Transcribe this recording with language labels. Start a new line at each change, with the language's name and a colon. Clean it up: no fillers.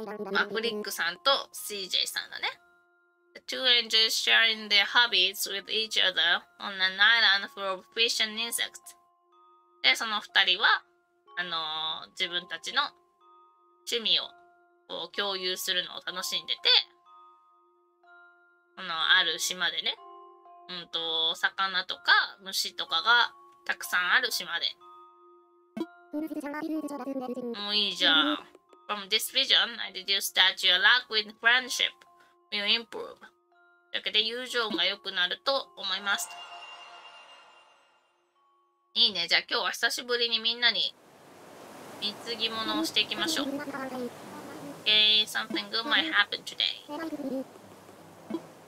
Japanese: マフリックさんと CJ さんだね。
English: Two angels sharing their hobbies with each other on an island full of fish and insects.
Japanese: で、その二人は、自分たちの趣味をこう共有するのを楽しんでて、このある島でね、魚とか虫とかがたくさんある島で。もういいじゃん。
English: From this vision, I deduce that your luck with friendship will improve.
Japanese: だけで友情が良くなると思います。いいね。じゃあ今日は久しぶりにみんなに貢ぎ物をしていきましょう。
English: Okay, something good might happen today. Okay.